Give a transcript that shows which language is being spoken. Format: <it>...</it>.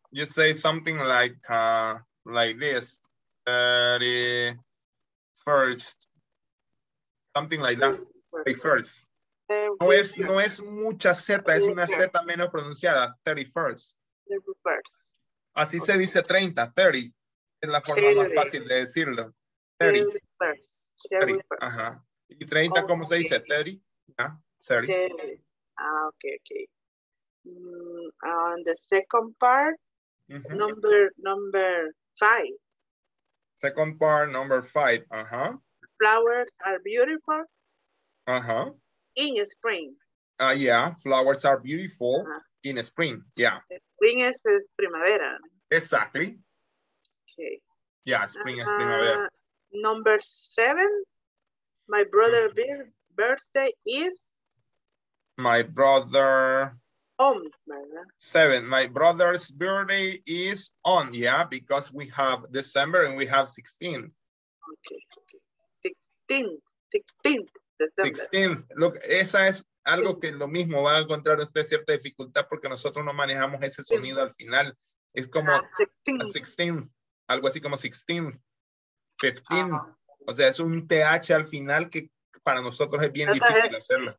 <en>You say something like this, 31st, something like that, 31st.</en> <es>No es mucha Z, es una Z menos pronunciada, 31st. Así se dice 30, 30, es la forma más fácil de decirlo,</es> <en>30.</en> <es>Ajá. Y 30, ¿cómo se dice? 30,</es> <en>yeah,</en> <es>30.</es> <en>Ah, okay. On the second part. Mm-hmm. Number 5. Second part, number 5. Flowers are beautiful. In spring. Flowers are beautiful in spring. Yeah. Spring is primavera. Exactly. Okay. Yeah, spring is primavera. Number 7. My brother's birthday is. My brother. On, 7. My brother's birthday is on, because we have December and we have 16. Okay. 16th. 16th. Look,</en> <es>esa es algo que lo mismo va a encontrar usted cierta dificultad porque nosotros no manejamos ese sonido al final. Es como 16th. Algo así como 16th. 15th. Uh-huh. O sea, es un TH al final que para nosotros es bien difícil hacerlo.</es>